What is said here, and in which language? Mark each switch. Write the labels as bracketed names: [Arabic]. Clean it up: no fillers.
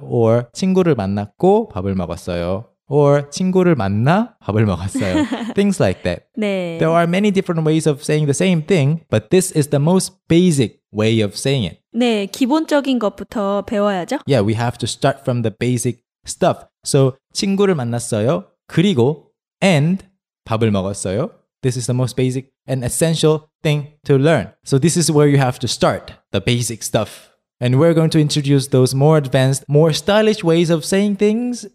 [Korean] Or 친구를 만났고 밥을 먹었어요. Or 친구를 만나 밥을 먹었어요. [English] Things like that. [Korean] 네. [English] There are many different ways of saying the same thing, but this is the most basic way of saying it. [Korean] 네, 기본적인 것부터 배워야죠. [English] Yeah, we have to start from the basic stuff. [Korean] So 친구를 만났어요. 그리고 and 밥을 먹었어요. [English] This is the most basic and essential thing to learn. So this is where you have to start, the basic stuff. And we're going to introduce those more advanced, more stylish ways of saying things